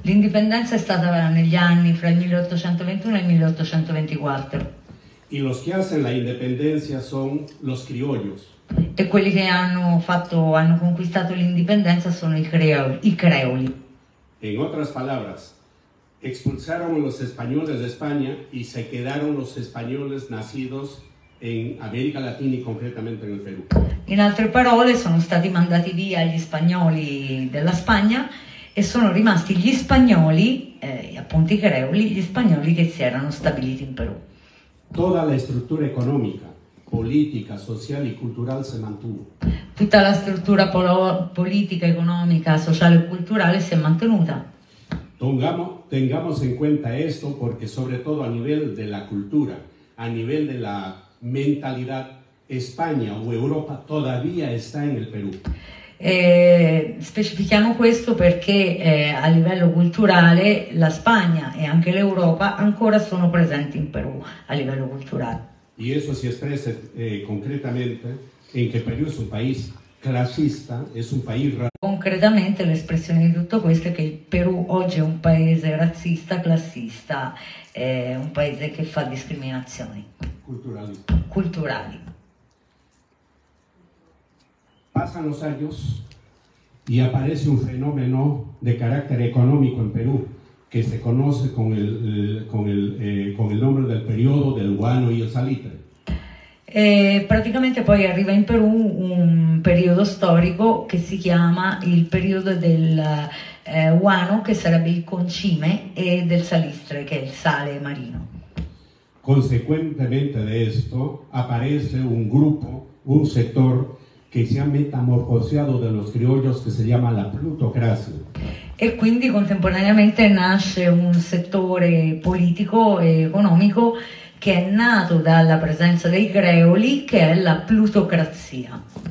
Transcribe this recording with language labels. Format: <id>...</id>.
<it>L'indipendenza è stata negli anni fra il 1821 e il 1824.</it> <es>Y los que hacen la independencia son los criollos.</es> <it>E quelli che hanno conquistato l'indipendenza sono i creoli.</it> <es>En otras palabras, expulsaron los españoles de España y se quedaron los españoles nacidos</es> <it>in America Latina e concretamente nel Perù. In altre parole, sono stati mandati via gli spagnoli della Spagna e sono rimasti gli spagnoli, appunto i creoli, gli spagnoli che si erano stabiliti in Perù. Tutta la struttura economica, politica, sociale e culturale si mantuvo. Tutta la struttura politica, economica, sociale e culturale si è mantenuta.</it> <es>Tengamos en cuenta esto porque sobre todo a nivel de la cultura, a nivel de la mentalità, Spagna o Europa todavía está en el Perú.</es> <it>Specifichiamo questo perché a livello culturale la Spagna e anche l'Europa ancora sono presenti in Perù a livello culturale.</it> <es>Y eso se expresa concretamente en que Perú es un país clasista, es un país racista.</es> <it>Concretamente l'espressione di tutto questo è che il Perù oggi è un paese razzista, classista, è un paese che fa discriminazioni culturali.</it> <es>Passano los años y aparece un fenómeno de carácter económico en Perú que se conoce con el nombre del periodo del guano y el salitre.</es> <it>Praticamente poi arriva in Perù un periodo storico che si chiama il periodo del guano, che sarebbe il concime, e del salitre, che è il sale marino.</it> <es>Consequentemente de esto aparece un grupo, un sector que se ha metamorfoseado de los criollos que se llama la plutocracia.</es> <it>E quindi contemporaneamente nasce un settore politico e economico che è nato dalla presenza dei creoli, che è la plutocrazia.</it>